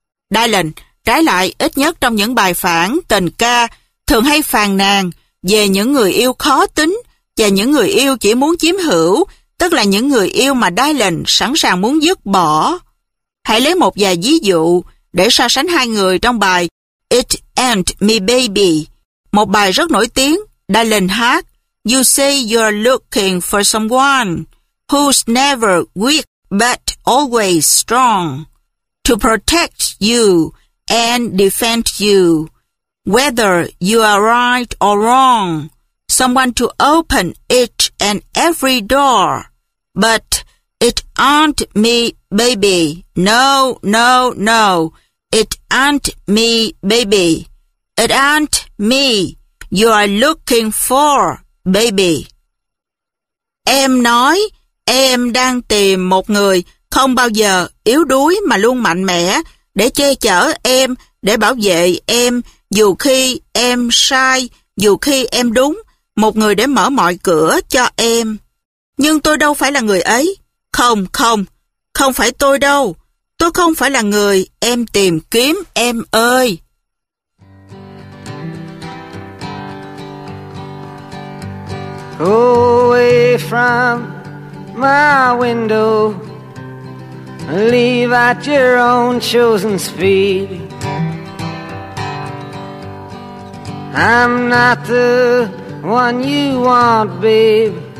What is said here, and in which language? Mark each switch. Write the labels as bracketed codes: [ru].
[vi] Dylan, trái lại, ít nhất trong những bài phản tình ca, thường hay phàn nàn về những người yêu khó tính và những người yêu chỉ muốn chiếm hữu, tức là những người yêu mà Dylan sẵn sàng muốn dứt bỏ. Hãy lấy một vài ví dụ để so sánh hai người trong bài It Ain't Me Baby, một bài rất nổi tiếng. Dylan hát, [en] you say you're looking for someone who's never weak but always strong to protect you and defend you, whether you are right or wrong, someone to open each and every door. But it aren't me, baby. No, no, no. It aren't me, baby. It aren't me you are looking for, baby. [vi] Em nói, em đang tìm một người không bao giờ yếu đuối mà luôn mạnh mẽ để che chở em, để bảo vệ em, dù khi em sai, dù khi em đúng, một người để mở mọi cửa cho em. Nhưng tôi đâu phải là người ấy. Không, không, không phải tôi đâu. Tôi không phải là người em tìm kiếm, em ơi. [en] Go away from my window, leave at your own chosen speed. I'm not the one you want, babe.